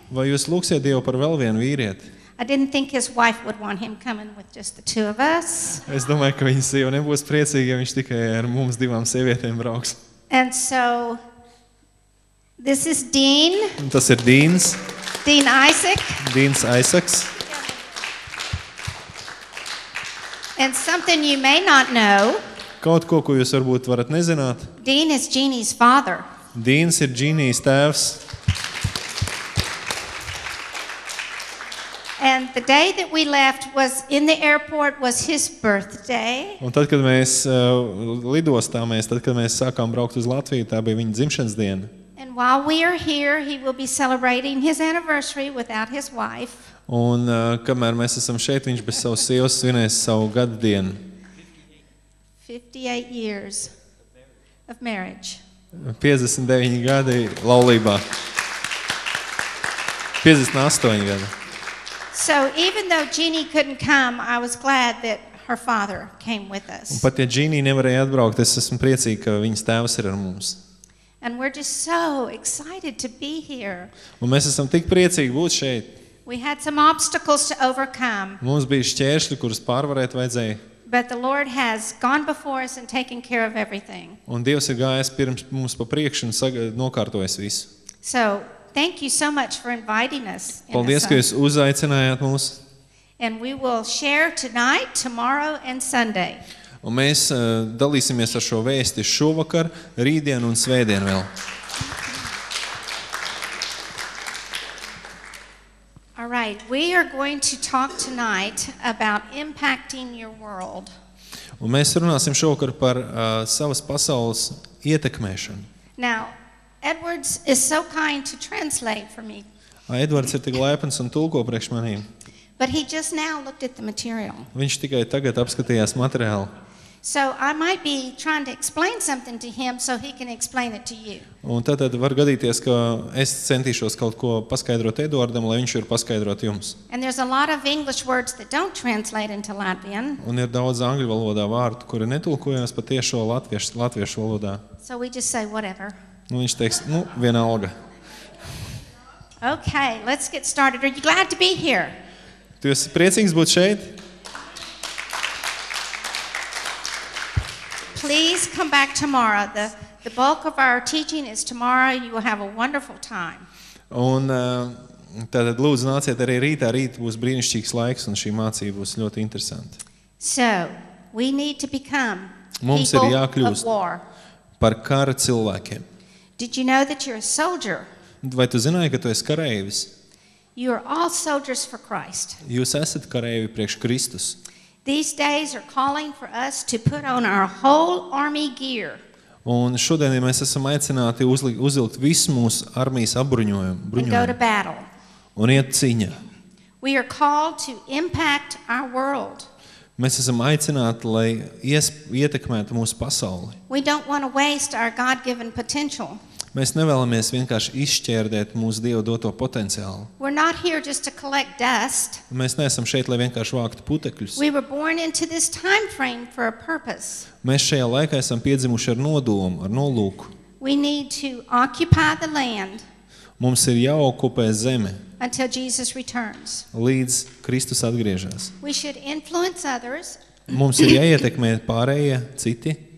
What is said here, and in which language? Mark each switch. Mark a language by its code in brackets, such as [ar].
[lv] Vai jūs lūksiet Dievu par vēl vienu vīrieti? [en] I didn't think his wife would want him coming with just the two of us. [lv] Es domāju, ka viņa sieva nebūs priecīga, ja viņš tikai ar mums divām sievietēm brauks. [en] And so this is Dean. [lv] Un tas ir Deans. [en] Dean Isaac. [lv] Deans Isaacs. [en] And something you may not know. [lv] Kaut ko, ko jūs varbūt varat nezināt. [en] Dean is Jeannie's father. [lv] Deans ir Jeannie's tēvs. [en] And the day that we left was in the airport was his birthday. [lv] Un tad, kad mēs lidostā, tad, kad mēs sākām braukt uz Latviju, tā bija viņa dzimšanas diena. [en] And while we are here, he will be celebrating his anniversary without his wife. [lv] Un kamēr mēs esam šeit, viņš bez savas sievas svinēs savu gada dienu. [en] 58 years of marriage. [lv] 59 gadi laulībā. 58 gadi. [en] So even though Jeannie couldn't come, I was glad that her father came with us. [lv] Un pat ja Jeannie nevarēja atbraukt, es esmu priecīga, ka viņas tēvs ir ar mums. [en] And we're just so excited to be here. [lv] Un mēs esam tik priecīgi būt šeit. [en] We had some obstacles to overcome. [lv] Mums bija šķēršļi, kurus pārvarēt vajadzēja. [en] But the Lord has gone before us and taken care of everything. [lv] Un Dievs ir gājis pirms mums pa priekšu un nokārtojis visu. [en] So thank you so much for inviting us. [lv] Paldies, ka jūs uzaicinājāt mūs. [en] And we will share tonight, tomorrow and Sunday. [lv] Un mēs dalīsimies ar šo vēsti šovakar, rītdien un svētdien vēl. [en] All right, we are going to talk tonight about impacting your world. [lv] Un mēs runāsim šovakar par savas pasaules ietekmēšanu. [en] Now, Edwards is so kind to translate for me. [lv] Edwards ir tik laipns un tulko priekš manīm. [en] But he just now looked at the material. [lv] Viņš tikai tagad apskatījās materiālu. [en] So I might be trying to explain something to him so he can explain it to you. [lv] Un tad var gadīties, ka es centīšos kaut ko paskaidrot Edwardam, lai viņš var paskaidrot jums. [en] And there's a lot of English words that don't translate into Latvian. [lv] Un ir daudz angļu valodā vārdu, kuri netulkojas pat tiešo latviešu valodā. [en] So we just say whatever. [lv] Nu, viņš teiks, nu, viena alga. [en] Okay, let's get started. Are you glad to be here? [lv] Tu esi priecīgs būt šeit? [en] Please come back tomorrow. The bulk of our teaching is tomorrow. You will have a wonderful time. [lv] Un tātad lūdzu nāciet arī rītā. Rīt būs brīnišķīgs laiks un šī mācība būs ļoti interesanta. [en] So, we need to become [lv] Mums [en] people [lv] ir jākļūst [en] of war. [lv] Par kara cilvēkiem. [en] Did you know that you're a soldier? [lv] Vai tu zināji, ka tu esi kareivis? [en] You are all soldiers for Christ. [lv] Jūs esat kareivi priekš Kristus. [en] These days are calling for us to put on our whole army gear. [lv] Un šodien ja mēs esam aicināti uzvilkt visu mūsu armijas apbruņojumu, bruņojumu. [en] And go to battle. [lv] Un iet cīņā. [en] We are called to impact our world. [lv] Mēs esam aicināti, lai ietekmētu mūsu pasauli. [en] We don't want to waste our God-given potential. [lv] Mēs nevēlamies vienkārši izšķērdēt mūsu Dieva doto potenciālu. [en] We're not here just to collect dust. [lv] Mēs neesam šeit, lai vienkārši vāktu putekļus. [en] We were born into this time frame for a purpose. [lv] Mēs šajā laikā esam piedzimuši ar nodomu, ar nolūku. [en] We need to occupy the land. [lv] Mums ir jāokupē zeme. [en] Until Jesus returns. [lv] Līdz Kristus atgriežas. [en] We should influence others. [lv] Mums ir jāietekmē pārējie, citi.